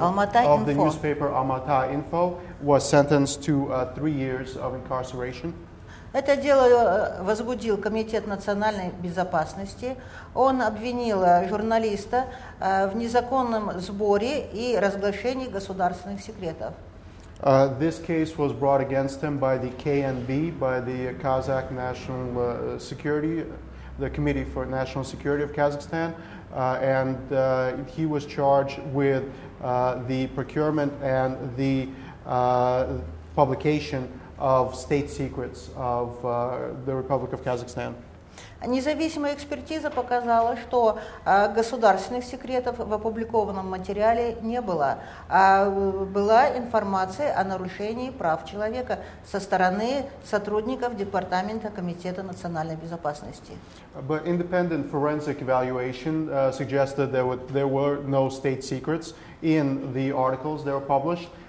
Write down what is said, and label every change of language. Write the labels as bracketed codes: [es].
[en] Of the newspaper «Алмата-Инфо» was sentenced to 3 years of incarceration. [ru] Это дело возбудил Комитет национальной безопасности. Он обвинил журналиста в незаконном сборе и разглашении государственных секретов. [en] This case was brought against him by the KNB, by the Kazakh National Security, the Committee for National Security of Kazakhstan, and he was charged with the procurement and the publication of state secrets of the Republic of Kazakhstan. [ru] Независимая экспертиза показала, что государственных секретов в опубликованном материале не было, а была информация о нарушении прав человека со стороны сотрудников Департамента Комитета национальной безопасности. [en] But independent forensic evaluation suggested that there were no state secrets in the articles that were published.